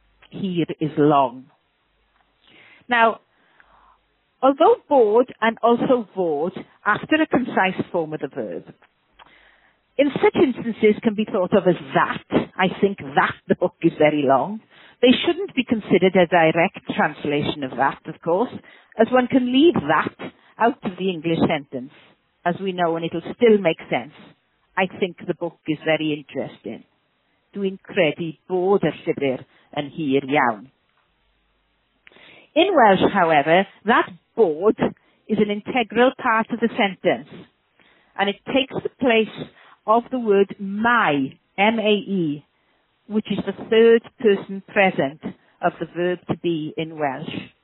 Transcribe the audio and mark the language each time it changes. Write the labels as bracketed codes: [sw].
[en] Hir is long. Now, although bod and also fod after a concise form of the verb, in such instances can be thought of as that. I think that the book is very long. They shouldn't be considered a direct translation of that, of course, as one can leave that out of the English sentence, as we know, and it'll still make sense. I think the book is very interesting. [cy] Dwi'n credu bod y llyfr yn hir iawn. [en] In Welsh, however, that bod is an integral part of the sentence, and it takes the place of the word mae, M-A-E, which is the third person present of the verb to be in Welsh.